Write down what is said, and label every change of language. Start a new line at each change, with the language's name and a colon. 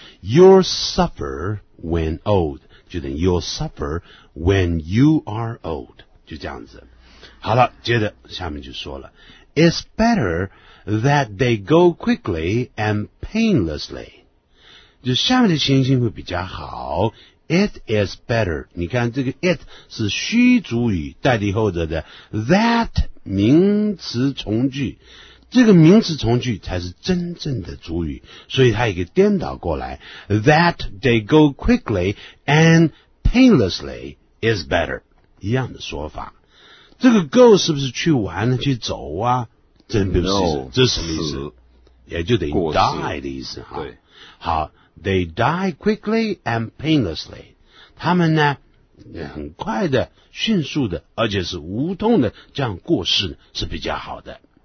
English: You'll suffer when old,
Chinese: 就等于
English: you'll suffer when you are old,
Chinese: 就这样子。好了接着下面就说了。
English: It's better that they go quickly and painlessly.
Chinese: 就下面的情形会比较好。
English: It is better.
Chinese: 你看这个 it 是虚主语代替后者的 that 名词从句。这个名词从句才是真正的主语。所以它一个颠倒过来。
English: That they go quickly and painlessly is better.
Chinese: 一样的说法。这个 go 是不是去玩呢去走啊真不是、
English: no,
Chinese: 这是什么意思也就等于 die 的意思哈对。
English: 好 ,they die quickly and painlessly.
Chinese: 他们呢很快的迅速的而且是无痛的这样过世是比较好的。